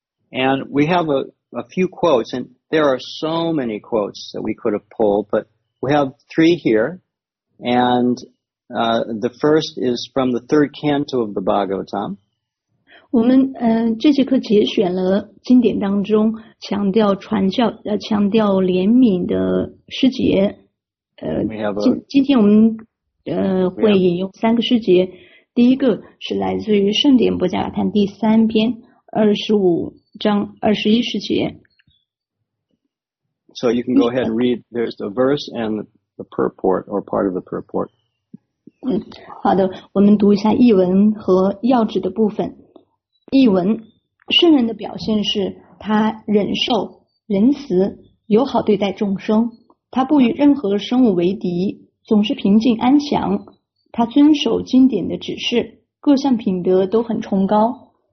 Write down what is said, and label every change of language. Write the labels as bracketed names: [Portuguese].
[English] And we have a few quotes, and there are so many quotes that we could have pulled, but we have three here, and the first is from the third canto of the Bhagavatam. [Chinese] 我们这节课节选了经典当中强调传教强调怜悯的诗节今天我们会引用三个诗节第一个是来自于圣典波迦坦第三篇25:21. [English] So you can go ahead and read, there's the verse and the purport, or part of the purport. [Chinese] 好的，我们读一下译文和要旨的部分。译文，圣人的表现是他忍受、仁慈、友好对待众生，他不与任何生物为敌，总是平静安详，他遵守经典的指示，各项品德都很崇高。